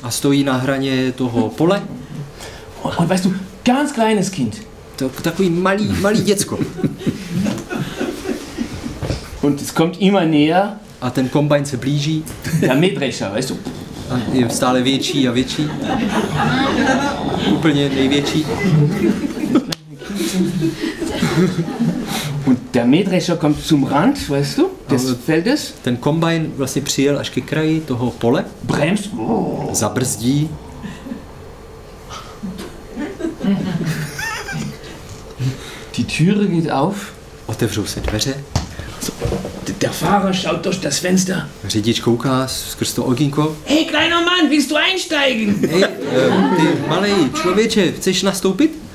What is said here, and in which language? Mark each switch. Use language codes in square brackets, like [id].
[cs] A stojí na hraně toho pole. [de] Und weißt du, ganz kleines Kind. [cs] To takový malý děcko. [de] Und es kommt immer näher. [cs] A ten kombajn se blíží. [de] Der Mähdrescher, weißt du? [cs] A je stále větší a větší. Úplně největší. [de] Und der Mähdrescher kommt zum Rand, weißt du, des Feldes. [cs] Ten kombajn vlastně přijel až ke kraji toho pole. [de] Bremst. [cs] Zabrzdí. [de] Die Türe geht auf. [cs] Otevřou se dveře. [de] Der Fahrer schaut durch das Fenster. [cs] Řidič kouká skrz to okýnko. [de] Hey, kleiner Mann, willst du einsteigen? [cs] Hey, ty malej člověče, chceš nastoupit?